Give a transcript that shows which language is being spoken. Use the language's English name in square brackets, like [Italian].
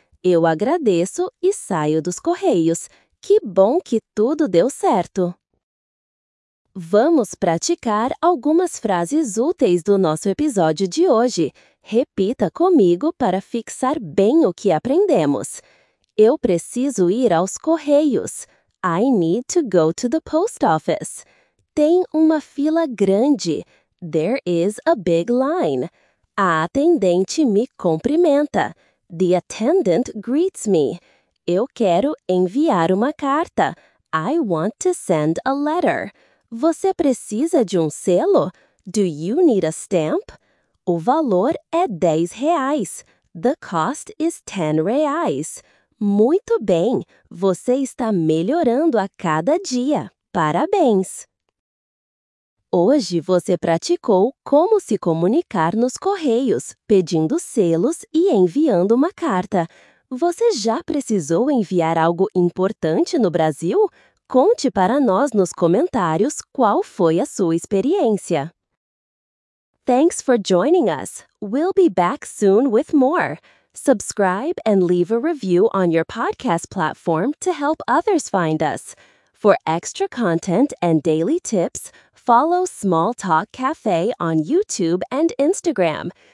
[Portuguese] Eu agradeço e saio dos Correios. Que bom que tudo deu certo! Vamos praticar algumas frases úteis do nosso episódio de hoje. Repita comigo para fixar bem o que aprendemos. Eu preciso ir aos Correios. [English] I need to go to the post office. [Portuguese] Tem uma fila grande. [English] There is a big line. [Portuguese] A atendente me cumprimenta. [English] The attendant greets me. [Portuguese] Eu quero enviar uma carta. [English] I want to send a letter. [Portuguese] Você precisa de um selo? [English] Do you need a stamp? [Portuguese] O valor é 10 reais. [English] The cost is 10 reais. [Portuguese] Muito bem! Você está melhorando a cada dia. Parabéns! Hoje você praticou como se comunicar nos Correios, pedindo selos e enviando uma carta. Você já precisou enviar algo importante no Brasil? Conte para nós nos comentários qual foi a sua experiência. [English] Thanks for joining us. We'll be back soon with more. Subscribe and leave a review on your podcast platform to help others find us. For extra content and daily tips, follow Small Talk Cafe on YouTube and Instagram.